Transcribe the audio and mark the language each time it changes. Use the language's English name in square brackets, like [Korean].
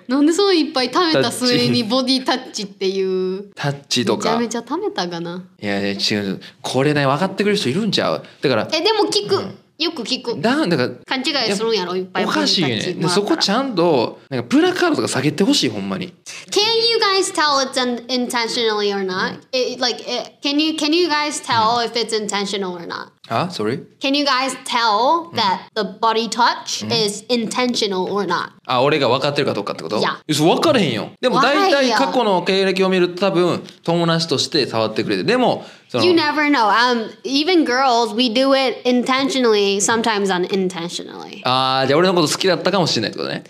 [Japanese] なんでそういっぱい溜めた末にボディタッチっていう。タッチとか。めちゃめちゃ溜めたかな。いや、違う。これね、分かってくれる人いるんちゃう。だから。でも聞く。うん、よく聞く。だから勘違いするんやろ、いっぱい。おかしいよね。でそこちゃんと、なんかプラカードとか下げてほしい、ほんまに。 [English] Can you guys tell it's intentionally or not?、うん、can you guys tell if it's intentional or not?、うん、あ、sorry? Can you guys tell that the body touch、うん、is intentional or not? [Japanese] あ、俺が分かってるかどうかってこと？いや。分かれへんよ。でも大体過去の経歴を見ると多分、友達として触ってくれて。でも、 [English] You never know. Even girls, we do it intentionally, sometimes unintentionally. [Japanese] ああ、じゃあ俺のこと好きだったかもしれないってことね。